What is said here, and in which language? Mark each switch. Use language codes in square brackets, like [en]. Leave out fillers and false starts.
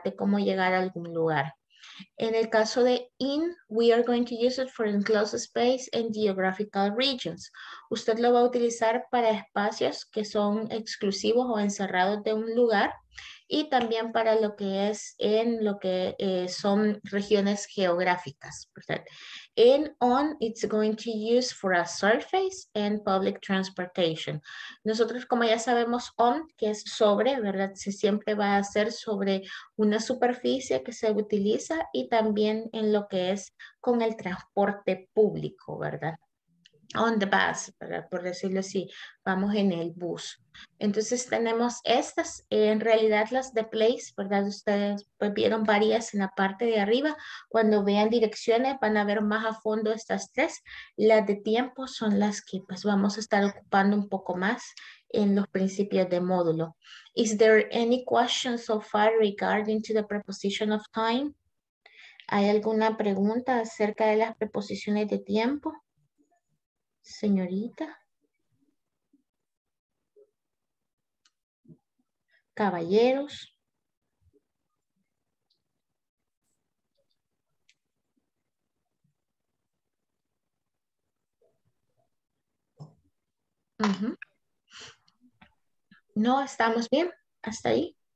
[es] De cómo llegar a algún lugar. En el caso de [en] in, we are going to use it for enclosed space and geographical regions. [es] Usted lo va a utilizar para espacios que son exclusivos o encerrados de un lugar y también para lo que es en lo que son regiones geográficas. [en] In, on, it's going to use for a surface and public transportation. [es] Nosotros, como ya sabemos, on, que es sobre, ¿verdad? Se siempre va a hacer sobre una superficie que se utiliza y también en lo que es con el transporte público, ¿verdad? [en] On the bus, [es] ¿verdad? Por decirlo así, vamos en el bus. Entonces tenemos estas, en realidad las de place, ¿verdad? Ustedes pues, vieron varias en la parte de arriba. Cuando vean direcciones van a ver más a fondo estas tres. Las de tiempo son las que pues, vamos a estar ocupando un poco más en los principios de módulo. [en] Is there any question so far regarding to the preposition of time? [es] ¿Hay alguna pregunta acerca de las preposiciones de tiempo? Señorita, caballeros, No estamos bien hasta ahí.